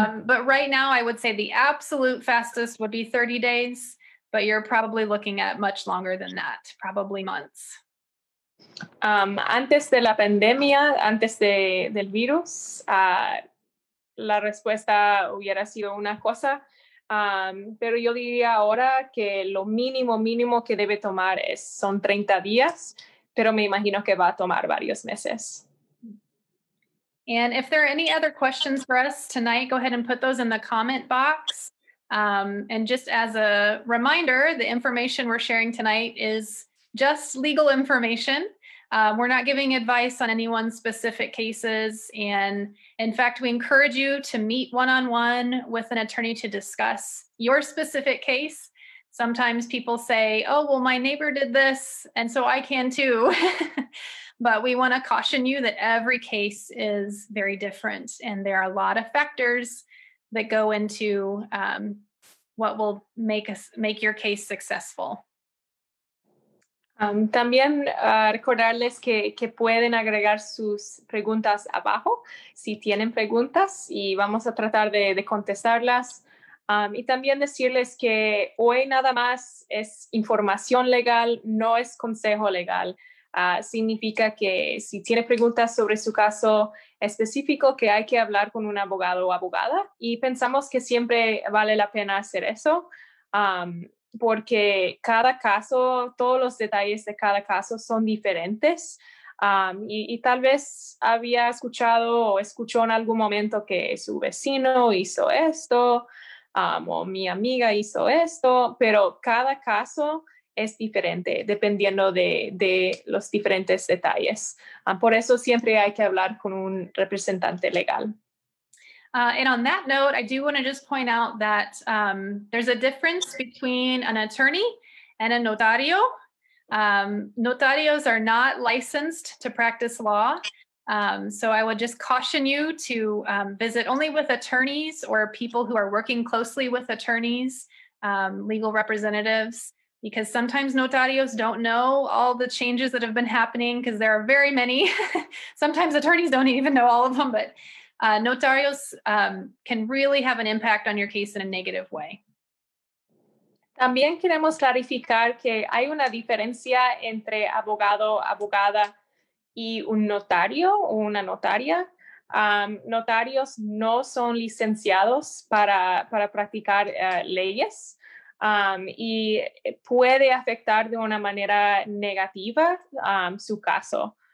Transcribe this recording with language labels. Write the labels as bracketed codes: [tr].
[en] but right now, I would say the absolute fastest would be 30 days, but you're probably looking at much longer than that, probably months. [es] Antes de la pandemia, antes del virus, la respuesta hubiera sido una cosa, pero yo diría ahora que lo mínimo que debe tomar son 30 días, pero me imagino que va a tomar varios meses. [en] And if there are any other questions for us tonight, go ahead and put those in the comment box. And just as a reminder, the information we're sharing tonight is just legal information. We're not giving advice on anyone's specific cases. And in fact, we encourage you to meet one-on-one with an attorney to discuss your specific case. Sometimes people say, oh, well, my neighbor did this, and so I can too. But we want to caution you that every case is very different. And there are a lot of factors that go into what will make your case successful. [es] También recordarles que pueden agregar sus preguntas abajo si tienen preguntas y vamos a tratar de contestarlas. Y también decirles que hoy nada más es información legal, no es consejo legal. Significa que si tiene preguntas sobre su caso específico, que hay que hablar con un abogado o abogada. Y pensamos que siempre vale la pena hacer eso, porque cada caso, todos los detalles de cada caso son diferentes. Y tal vez había escuchado o escuchó en algún momento que su vecino hizo esto, o mi amiga hizo esto, pero cada caso es diferente dependiendo de los diferentes detalles. Por eso siempre hay que hablar con un representante legal. [en] And on that note, I do want to just point out that there's a difference between an attorney and a notario. Notarios are not licensed to practice law. So I would just caution you to visit only with attorneys or people who are working closely with attorneys, legal representatives, because sometimes notarios don't know all the changes that have been happening because there are very many. Sometimes attorneys don't even know all of them, but notarios can really have an impact on your case in a negative way. [es] También queremos clarificar que hay una diferencia entre abogado, abogada, y un notario o una notaria. Notarios no son licenciados para practicar leyes y puede afectar de una manera negativa su caso.